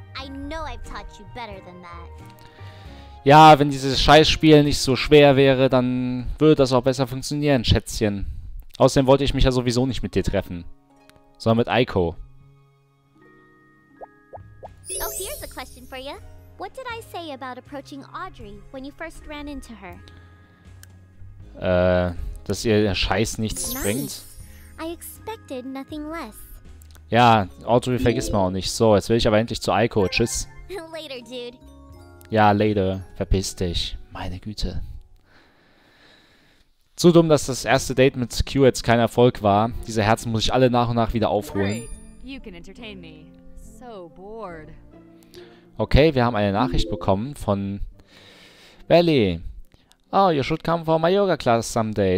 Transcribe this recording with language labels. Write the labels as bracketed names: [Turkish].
[English] I know I've taught you better than that. [German] Ja, wenn dieses Scheißspiel nicht so schwer wäre, dann würde das auch besser funktionieren, Schätzchen. Außerdem wollte ich mich ja sowieso nicht mit dir treffen. Sondern mit Aiko. [English] Oh, here's a question for you. What did I say about approaching Audrey when you first ran into her? [German] Dass ihr der Scheiß nichts bringt. [English] I expected nothing less. [German] Ja, Audrey vergisst man auch nicht. So, jetzt will ich aber endlich zu Aiko. Tschüss. [English] Later, dude. [German] Ja, later. Verpiss dich. Meine Güte. Zu dumm, dass das erste Date mit Q jetzt kein Erfolg war. Diese Herzen muss ich alle nach und nach wieder aufholen. [English] You can entertain me. So bored. [German] Okay, wir haben eine Nachricht bekommen von Belly. [English] Oh, you should come for my yoga class someday.